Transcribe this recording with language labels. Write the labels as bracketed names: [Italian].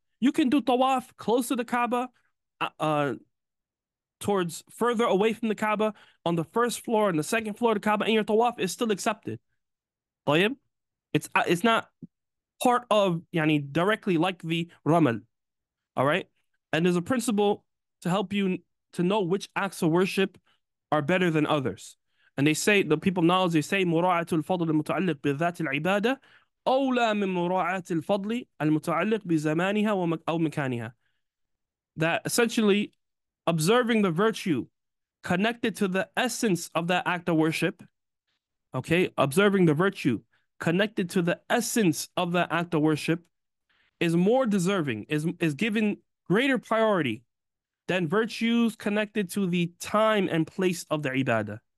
[English] You can do tawaf close to the Kaaba, towards further away from the Kaaba, on the first floor and the second floor of the Kaaba, and your tawaf is still accepted. Tayyib, it's not part of directly like the ramal. All right, and there's a principle to help you to know which acts of worship are better than others. And they say, the people of knowledge, they say, [Arabic] مراعاة الفضل المتعلق بذات العبادة أولى من مراعاة الفضل المتعلق بزمانها أو مكانها. [English] That essentially, observing the virtue connected to the essence of that act of worship, okay, observing the virtue connected to the essence of that act of worship is more deserving, is given greater priority than virtues connected to the time and place of the ibadah.